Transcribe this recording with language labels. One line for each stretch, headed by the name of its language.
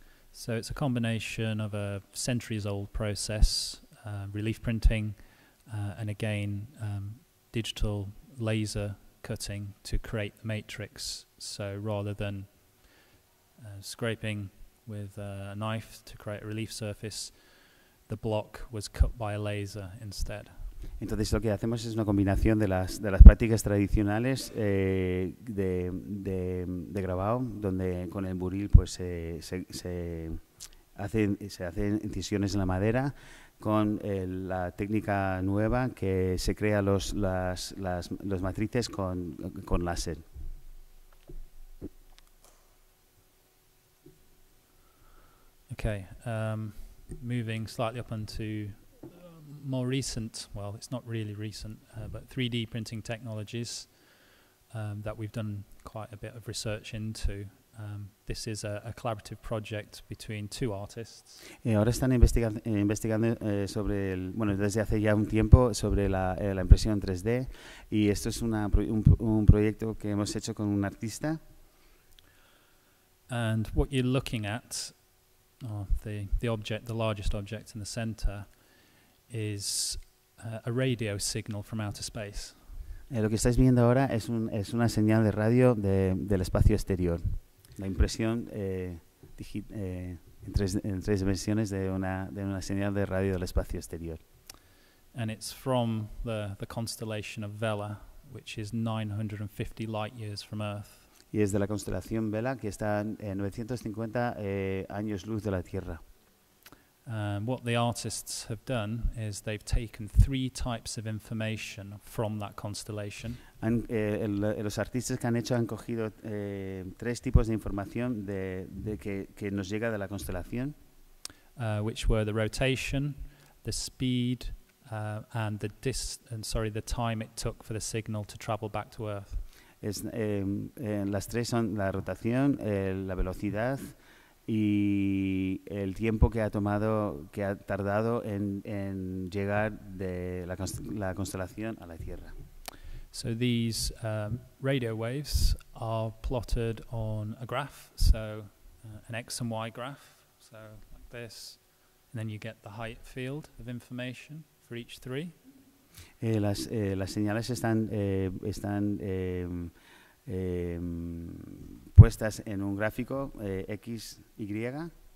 English: So it's a combination of a centuries old process, relief printing, and again digital laser cutting to create the matrix. So rather than scraping with a knife to create a relief surface, the block was cut by a laser instead.
Spanish: Entonces lo que hacemos es una combinación de las prácticas tradicionales de grabado, donde con el buril pues se hacen incisiones en la madera. Con la técnica nueva que se crea las matrices con láser.
English: Okay, moving slightly up onto more recent, well, it's not really recent, but 3D printing technologies that we've done quite a bit of research into. This is a collaborative project between two artists.
Spanish: Ahora están investigando sobre el, bueno, desde hace ya un tiempo sobre la impresión 3D, y esto es un proyecto que hemos hecho con un artista.
English: And what you're looking at, the object, the largest object in the center, is a radio signal from outer space.
Spanish: Lo que estáis viendo ahora es una señal de radio del espacio exterior. La impresión en tres dimensiones de una señal de radio del espacio exterior.
English: And it's from the constellation of Vela, which is 950 light years from Earth.
Spanish: Y es de la constelación Vela, que está en 950 años luz de la Tierra.
English: What the artists have done is they've taken three types of information from that constellation.
Spanish: Los artistas que han hecho han cogido tres tipos de información que nos llega de la constelación,
English: which were the rotation, the speed, and the time it took for the signal to travel back to Earth.
Spanish: Las tres son la rotación, la velocidad y el tiempo que ha tardado en llegar de la constelación a la Tierra.
English: So these radio waves are plotted on a graph, so an X and Y graph, so like this, and then you get the height field of information for each three.
Spanish: Las señales están puestas en un gráfico X, Y.